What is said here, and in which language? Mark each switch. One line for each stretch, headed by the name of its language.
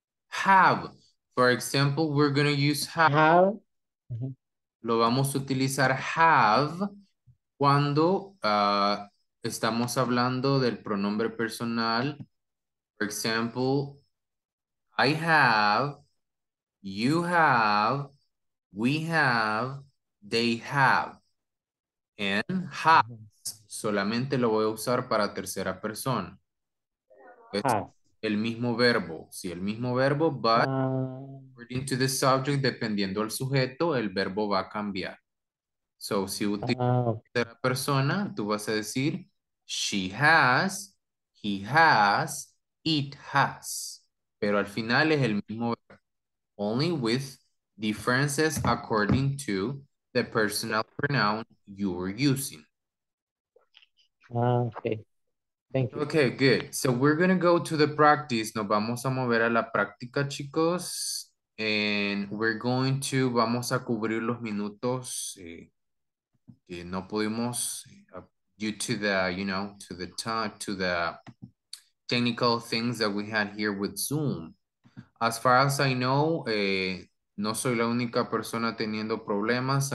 English: Have, for example, we're going to use have. Have.
Spanish: Lo vamos a utilizar have cuando estamos hablando del pronombre personal.
English: For example, I have, you have, we have, they have. And has,
Spanish: solamente lo voy a usar para tercera persona.
English: Have.
Spanish: El mismo verbo, sí, el mismo verbo,
English: but according to the subject,
Spanish: dependiendo al sujeto, el verbo va a cambiar. So, si utilizas la persona, tú vas a decir,
English: she has, he has, it has.
Spanish: Pero al final es el mismo verbo,
English: only with differences according to the personal pronoun you're using. Okay. Thank you. Okay, good. So we're going to go to the practice.
Spanish: Nos vamos a mover a la práctica, chicos.
English: And we're going to,
Spanish: vamos a cubrir los minutos que no pudimos,
English: due to the, you know, to the time, to the technical things that we had here with Zoom. As far as I know,
Spanish: no soy la única persona teniendo problemas.